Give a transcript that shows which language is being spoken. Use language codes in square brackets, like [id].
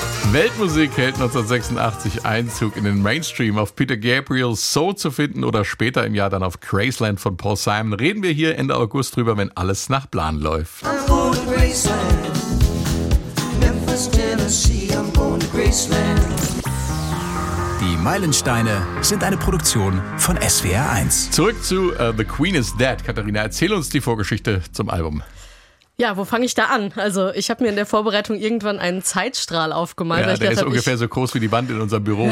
[de] Weltmusik hält 1986 Einzug in den Mainstream. Auf Peter Gabriels So zu finden oder später im Jahr dann auf Graceland von Paul Simon, reden wir hier Ende August drüber, wenn alles nach Plan läuft. [en] I'm going to Graceland, Memphis, Tennessee, I'm going to Graceland. [de] Die Meilensteine sind eine Produktion von SWR 1. Zurück zu The Queen is Dead. Katharina, erzähl uns die Vorgeschichte zum Album. Ja, wo fange ich da an? Also ich habe mir in der Vorbereitung irgendwann einen Zeitstrahl aufgemalt. Ja, der ist ungefähr so groß wie die Wand in unserem Büro.